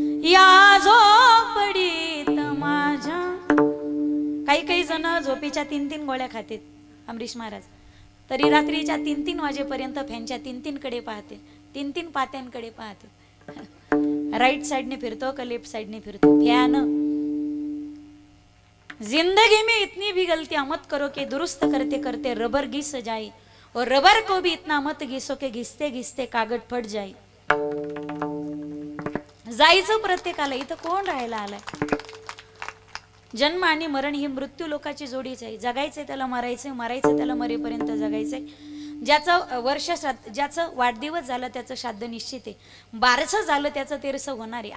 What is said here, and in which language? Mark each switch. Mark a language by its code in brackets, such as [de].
[mr] या झोपडीत माझ्या, काही काही जण झोपेच्या तीन तीन गोळ्या खातात अमरीश महाराज, तरी रात्रीच्या तीन तीन वाजेपर्यंत फॅनच्या तीन तीन कडे पाहते, तीन तीन पात्यांकडे पाहतो, राईट साइडने फिरतो का लेफ्ट साइडने फिरतो फॅन। [hi] जिंदगी में इतनी भी गलतियां मत करो के दुरुस्त करते करते रबर घिस जाए, और रबर को भी इतना मत घिसो के घिसते घिसते कागद फट जाए। [mr] जायचं प्रत्येकाला, इथं कोण राहायला आलाय? जन्म आणि मरण ही मृत्यू लोकाची जोडीच आहे। जगायचंय त्याला मरायचंय, मरायचं त्याला मरेपर्यंत जगायचंय। ज्याचं वर्ष श्राद्ध, ज्याचं वाढदिवस झालं त्याचं श्राद्ध निश्चित आहे, बारसं झालं त्याचं तेरसं होणार आहे।